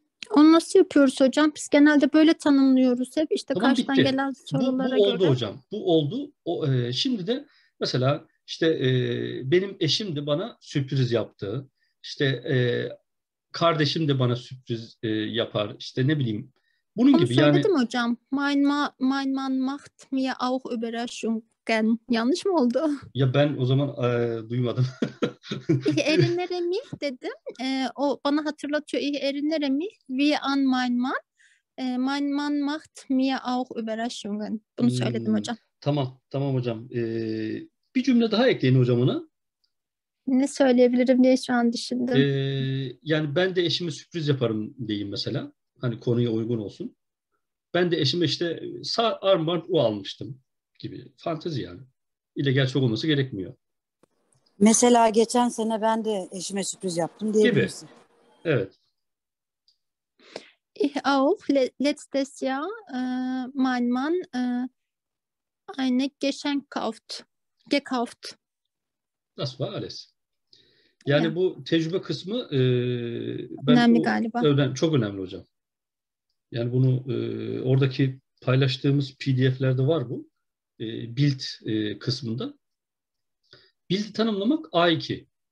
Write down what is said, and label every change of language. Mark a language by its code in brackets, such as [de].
[tr] Onu nasıl yapıyoruz hocam? Biz genelde böyle tanımlıyoruz hep. İşte tamam, karşıdan bitti. Gelen sorulara göre. Bu oldu hocam. Bu oldu. Şimdi de mesela işte benim eşim de bana sürpriz yaptı. İşte kardeşim de bana sürpriz yapar. İşte ne bileyim. Bunun onu gibi söyledim yani, hocam. [de] Mein Mann macht mir auch Überraschungen. [tr] Yanlış mı oldu? Ya ben o zaman duymadım. [de] Ich erinnere mich [tr] dedim. O bana hatırlatıyor. [de] Ich erinnere mich wie an mein Mann. Mein Mann macht mir auch Überraschungen. [tr] Bunu söyledim hocam. Tamam, tamam hocam. Bir cümle daha ekleyin hocam ona. Ne söyleyebilirim diye şu an düşündüm. Yani ben de eşime sürpriz yaparım diyeyim mesela. Hani konuya uygun olsun. Ben de eşime işte armband U almıştım gibi. Fantezi yani. İle gerçek olması gerekmiyor. Mesela geçen sene ben de eşime sürpriz yaptım diyebilirsin. Gibi. Evet. [de] Ich auch letztes Jahr mein Mann eine Geschenk gekauft. Das war alles. [tr] Yani bu tecrübe kısmı önemli galiba. Çok önemli hocam. Yani bunu oradaki paylaştığımız PDF'lerde var bu. Bild kısmında. Bild tanımlamak A2.